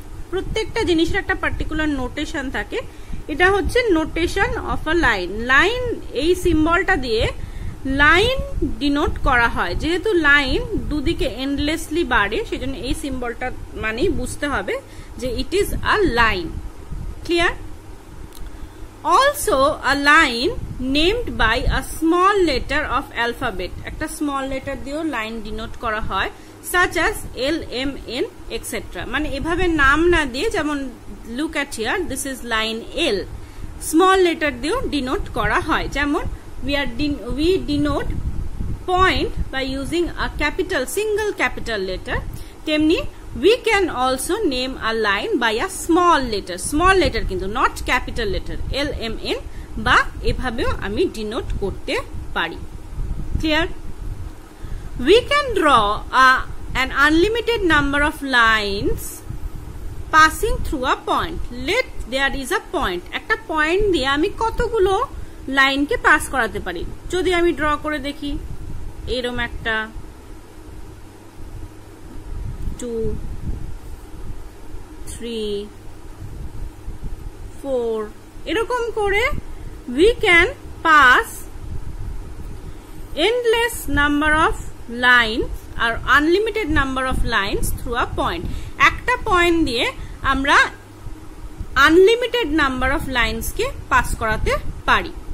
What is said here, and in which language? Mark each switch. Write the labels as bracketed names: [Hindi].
[Bangla] প্রত্যেকটা জিনিসের একটা পার্টিকুলার নোটেশন থাকে, এটা হচ্ছে [English] notation of a line, [Bangla] line এই সিম্বলটা দিয়ে লাইন ডিনোট করা হয়, যেহেতু লাইন দুদিকে এন্ডলেসলি বাড়ে সেজন্য এই সিম্বলটা মানেই বুঝতে হবে যে [English] it is a line, [Bangla] clear. [English] also a line named by a small letter of alphabet, [Bangla] একটা স্মল লেটার দিয়েও লাইন ডিনোট করা হয়, [English] such as L, M, N, etc. [Bangla] মানে এভাবে নাম না দিয়ে, যেমন [English] look at here, this is line L, small letter [Bangla] দিয়েও [English] denote [Bangla] করা হয়, যেমন [English] we denote point by using a capital, single capital letter, [Bangla] তেমনি [English] we can also name a line by a small letter [Bangla] কিন্তু [English] not capital letter, L, M, N, [Bangla] বা এভাবেও আমি [English] denote [Bangla] করতে পারি, [English] clear? We can draw a an unlimited number of lines passing through a point. Let there is a point. [Bangla] একটা point দিয়ে আমি কতগুলো লাইনকে পাস করাতে পারি, যদি আমি ড্র করে দেখি এরম একটা, [English] two, three, four, এরকম করে we can pass endless number of line আর unlimited number of lines through a point, [Bangla] একটা পয়েন্ট দিয়ে আমরা আনলিমিটেড নাম্বার অফ লাইনসকে পাস করাতে পারি।